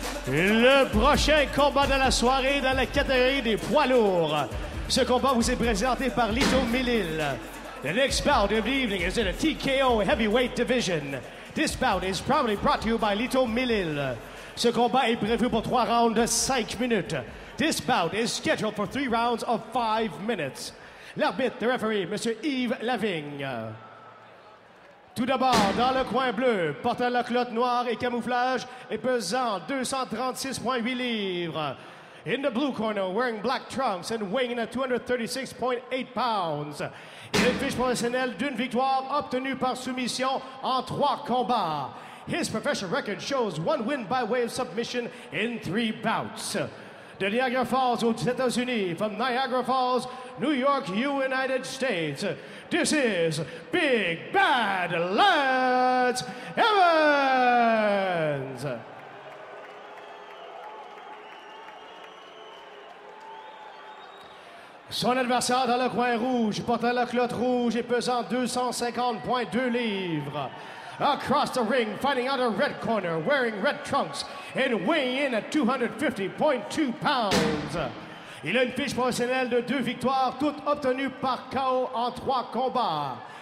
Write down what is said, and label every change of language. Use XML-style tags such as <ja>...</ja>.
<fr>Le prochain combat de la soirée dans la catégorie des poids lourds. Ce combat vous est présenté par Lito Melil.</fr> <en>The next bout of the evening is in the TKO Heavyweight Division. This bout is proudly brought to you by Lito Melil.</en> <fr>Ce combat est prévu pour 3 rounds de 5 minutes.</fr> <en>This bout is scheduled for 3 rounds of 5 minutes.</en> <fr>L'arbitre, le referee, M. Yves Lavigne. Tout d'abord, dans le coin bleu, portant la culotte noire et camouflage et pesant 236,8 livres.</fr> <en>In the blue corner, wearing black trunks and weighing at 236,8 pounds.</en> <fr>Il a une fiche professionnelle d'une victoire obtenue par soumission en 3 combats.</fr> <en>His professional record shows 1 win by way of submission in 3 bouts.</en> <fr>De Niagara Falls aux États-Unis,</fr> <en>from Niagara Falls, New York, United States. This is Big Bad Lance Evans!</en> <fr>Son adversaire dans le coin rouge, portant la culotte rouge et pesant 250,2 livres.</fr> <en>Across the ring, fighting out a red corner, wearing red trunks and weighing in at 250.2 pounds.</en> <fr>Il a une fiche professionnelle de 2 victoires, toutes obtenues par KO en 3 combats.</fr>